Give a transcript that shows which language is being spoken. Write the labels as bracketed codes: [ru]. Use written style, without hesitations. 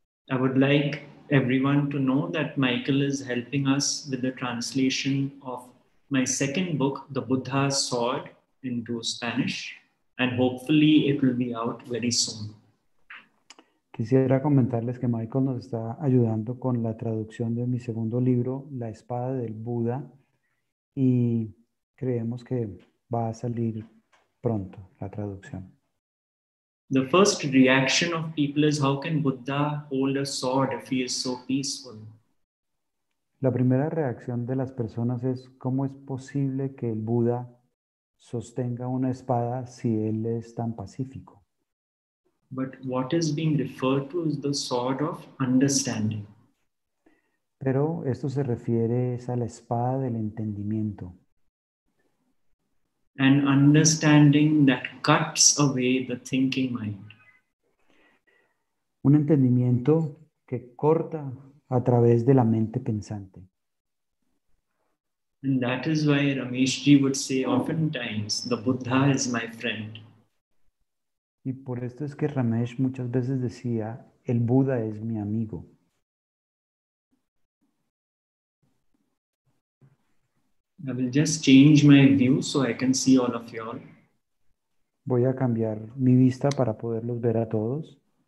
[en] I would like everyone to know that Michael is helping us with the translation of my second book, The Buddha's Sword, into Spanish, and hopefully it will be out very soon. [es] Quisiera comentarles que Michael nos está ayudando con la traducción de mi segundo libro, La Espada del Buda, y creemos que va a salir pronto la traducción. [en] The first reaction of people is, how can Buddha hold a sword if he is so peaceful? [es] La primera reacción de las personas es, ¿cómo es posible que el Buda sostenga una espada si él es tan pacífico? [en] But what is being referred to is the sword of understanding. [es] Pero esto se refiere es a la espada del entendimiento. [en] An understanding that cuts away the thinking mind. [es] Un entendimiento que que corta a través de la mente pensante. [en] And that is why Rameshji would say oftentimes, the Buddha is my friend. [es] Y por esto es que Ramesh muchas veces decía, el Buda es mi amigo. [en] I will just change my view so I can see all of you all. [es] Voy a cambiar mi vista para poderlos ver a todos.